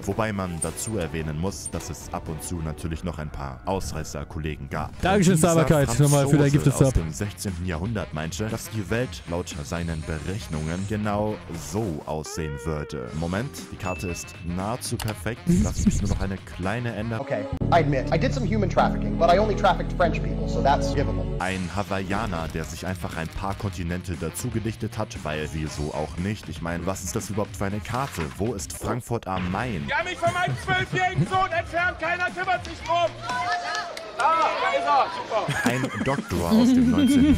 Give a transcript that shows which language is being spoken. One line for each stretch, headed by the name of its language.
German: Wobei man dazu erwähnen muss, dass es ab und zu natürlich noch ein paar Ausreißer-Kollegen gab. Dankeschön, Starbarkeit, nochmal für dein Giftes-Sub. Aus dem 16. Jahrhundert meinte, dass die Welt laut seinen Berechnungen genau so aussehen würde. Moment, die Karte ist nahezu perfekt. Lass mich nur noch eine kleine Änderung.
English: Okay, I admit, I did some human trafficking, but I only trafficked French people, so that's givable.
German: Ein Hawaiianer, der sich einfach ein paar Kontinente dazu gedichtet hat, weil wieso auch nicht? Ich meine, was ist das überhaupt für eine Karte? Wo ist Frankfurt am Main? Wir haben mich von meinem 12-jährigen Sohn entfernt, keiner kümmert sich drum! Ein Doktor aus dem 19.